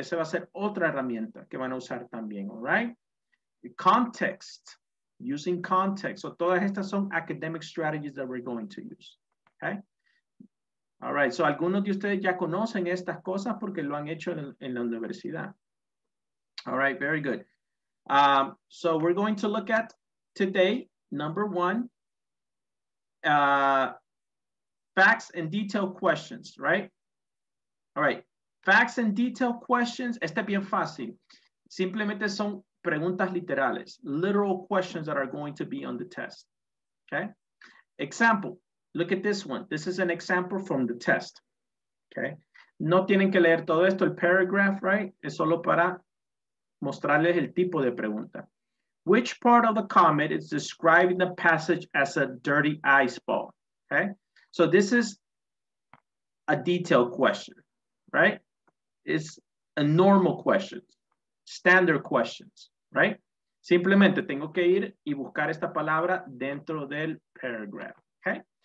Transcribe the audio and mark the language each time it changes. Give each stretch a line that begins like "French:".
Spanish: Esa va a ser otra herramienta que van a usar también,
English: all right? Context, using context. So,
Spanish: todas estas son
English: academic strategies that we're going to use, okay? All right, so
Spanish: algunos de ustedes ya conocen estas cosas porque lo han hecho en la universidad.
English: All right, very good. So, we're going to look at today, number one, facts and detailed questions, right? All right. Facts and detailed questions,
Spanish: este bien fácil. Simplemente son preguntas literales,
English: literal questions that are going to be on the test. Okay? Example, look at this one. This is an example from the test. Okay?
Spanish: No tienen que leer todo esto, el paragraph,
English: right?
Spanish: Es solo para mostrarles el tipo de pregunta.
English: Which part of the comet is describing the passage as a dirty ice ball? Okay? So this is a detailed question, right? It's a normal question, standard questions, right?
Spanish: Simplemente tengo que ir y buscar esta palabra dentro del paragraph, okay?